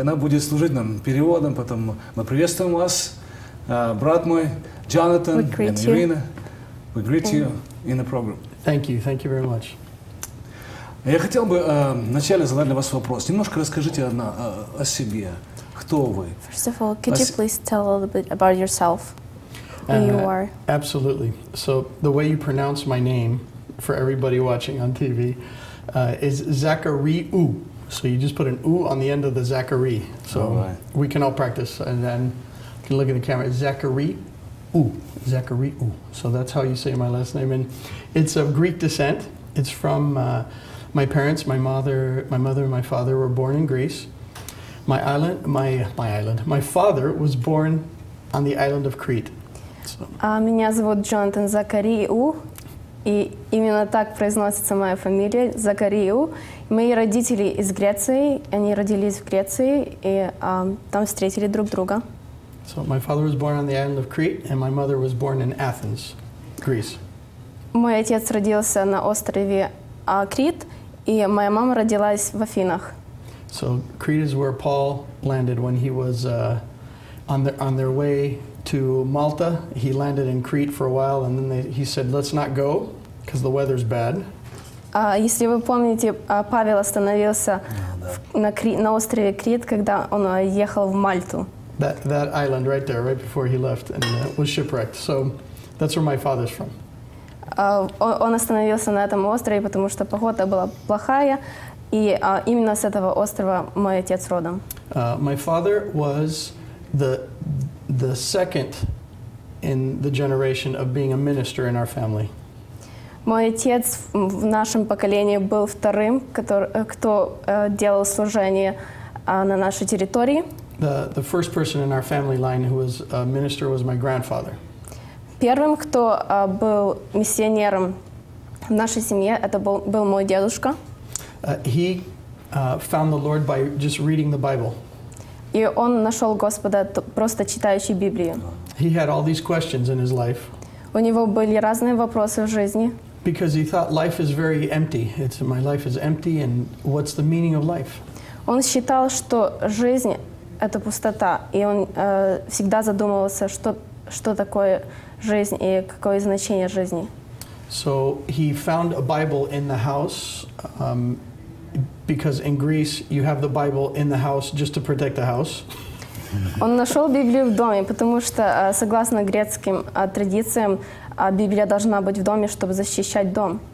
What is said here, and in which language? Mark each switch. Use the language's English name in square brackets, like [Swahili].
[Russian] Она будет служить нам переводом, поэтому мы приветствуем вас, брат мой, Джонатан и Ирина. [English] We greet you in the program. Thank you very much. [Russian] Я хотел бы вначале задать для вас вопрос. Немножко расскажите о себе. Кто вы? [English] First of all, could you please tell a little bit about yourself? Who you are? Absolutely. So the way you pronounce my name for everybody watching on TV is Zachary U. So you just put an U on the end of the Zachary. So we can all practice and then you can look at the camera. Zachary U. Zachary U. So that's how you say my last name. And it's of Greek descent. It's from my parents, my mother and my father were born in Greece. My father was born on the island of Crete. [Russian] Меня зовут Джонатан Закари У, и именно так произносится моя фамилия, Закари У. Мои родители из Греции, они родились в Греции, и там встретили друг друга. [English] So my father was born on the island of Crete, and my mother was born in Athens, Greece. [Russian] Мой отец родился на острове Крит, и моя мама родилась в Афинах. [English] So Crete is where Paul landed when he was on their way to Malta. He landed in Crete for a while, and then he said, "Let's not go because the weather's bad." [Russian] Если вы помните, Павел остановился на острове Крит, когда он ехал в Мальту. [English] That island right there, right before he left, and was shipwrecked. So that's where my father's from. [Russian] Он остановился на этом острове, потому что погода была плохая. И именно с этого острова мой отец родом. [English] My father was the second in the generation of being a minister in our family. [Russian] Мой отец в нашем поколении был вторым, кто делал служение на нашей территории. [English] The first person in our family line who was a minister was my grandfather. [Russian] Первым, кто был миссионером в нашей семье, это был мой дедушка. [English] He found the Lord by just reading the Bible. [Russian] И он нашел Господа просто читающий Библию. [English] He had all these questions in his life. [Russian] У него были разные вопросы в жизни. [English] Because he thought life is very empty. It's my life is empty, and what's the meaning of life? [Russian] Он считал, что жизнь это пустота, и он всегда задумывался, что такое жизнь и какое значение жизни. [English] So he found a Bible in the house, because in Greece you have the Bible in the house just to protect the house. [Russian] Он нашел Библию в доме, потому что согласно грецким традициям Библия должна быть в доме, чтобы защищать дом.